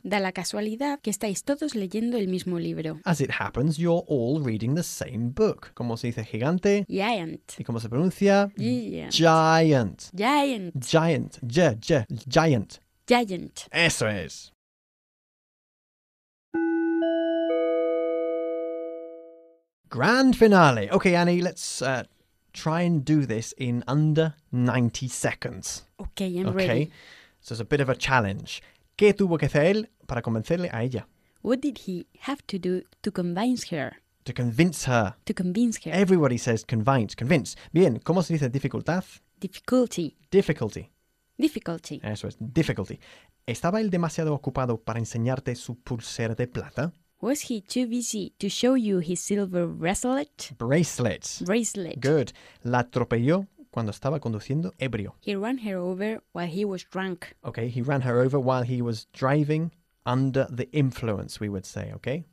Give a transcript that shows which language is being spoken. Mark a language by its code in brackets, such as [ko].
[es] Da la casualidad que estáis todos leyendo el mismo libro. [en] As it happens, you're all reading the same book. [es] ¿Cómo se dice gigante? [en] Giant. [es] ¿Y cómo se pronuncia? [en] Giant. Giant. Giant. Giant. Giant. Giant. [es] Eso es. [en] Grand finale. Okay, Annie, let's try and do this in under 90 seconds. Okay, I'm ready. Okay, so it's a bit of a challenge. [es] ¿Qué tuvo que hacer él para convencerle a ella? [en] What did he have to do to convince her? To convince her. To convince her. Everybody says convince, convince. [es] Bien, ¿cómo se dice dificultad? [en] Difficulty. Difficulty. Difficulty. [es] Eso es, difficulty. ¿Estaba él demasiado ocupado para enseñarte su pulsera de plata? [en] Was he too busy to show you his silver bracelet? Bracelet. Bracelet. [es] Good. La atropelló cuando estaba conduciendo ebrio. [en] He ran her over while he was drunk. Okay, he ran her over while he was driving under the influence, we would say, okay?